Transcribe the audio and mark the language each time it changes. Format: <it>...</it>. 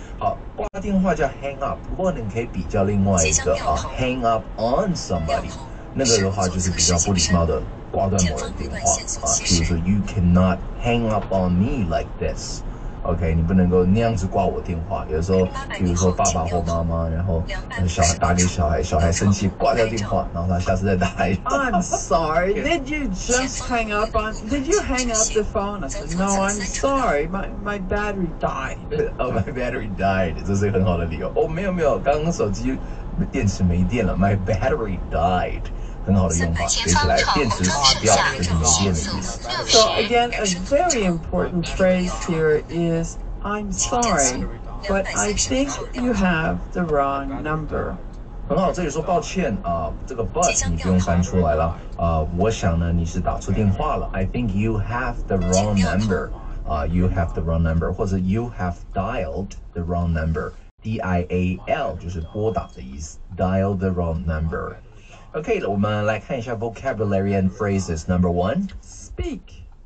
<zh>好，挂电话叫 hang up， 不过你可以比较另外一个啊 ，</zh> <en>hang up on somebody，</en> <zh>那个的话就是比较不礼貌的挂断某人电话啊。譬如说</zh> <en>，you cannot hang up on me like this。</en> <zh>OK， 你不能够那样子挂我电话。有时候，比如说爸爸或妈妈，然后小孩打给小孩，小孩生气挂掉电话，然后他下次再打来。</zh> <en>I'm sorry. Did you just hang up on? Did you hang up the phone? I said, no, I'm sorry. My battery died. Oh, my battery died.</en> <zh>这是一个很好的理由。哦，没有没有，刚刚手机电池没电了。</zh> <en>My battery died.</en> <zh>很好的用法，学起来电池挂掉就是没电的意思。</zh> <en>So again, a very important phrase here is I'm sorry, but I think you have the wrong number.</en> <zh>很好，这里说抱歉啊，这个 but 你不用翻出来了啊。我想呢，你是打错电话了。</zh> <en>I think you have the wrong number. You have the wrong number，</en> <zh>或者</zh> <en>you have dialed the wrong number.</en> <zh>D-I-A-L 就是拨打的意思 ，</zh> <en>dial the wrong number. OK，</en> <zh>我们来看一下</zh> <en>vocabulary and phrases. Number one, speak.</en>